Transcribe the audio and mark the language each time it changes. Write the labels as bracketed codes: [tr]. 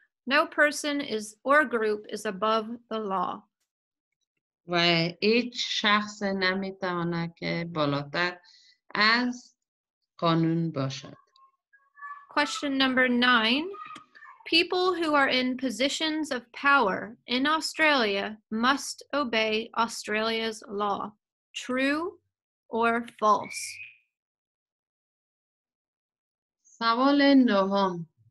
[en] No person is or group is above the law. [fa] و هیچ شخص نمیتونه که بالاتر از قانون باشد. [en] Question number 9. People who are in positions of power in Australia must obey Australia's law. True or false? [fa] سوال نهم.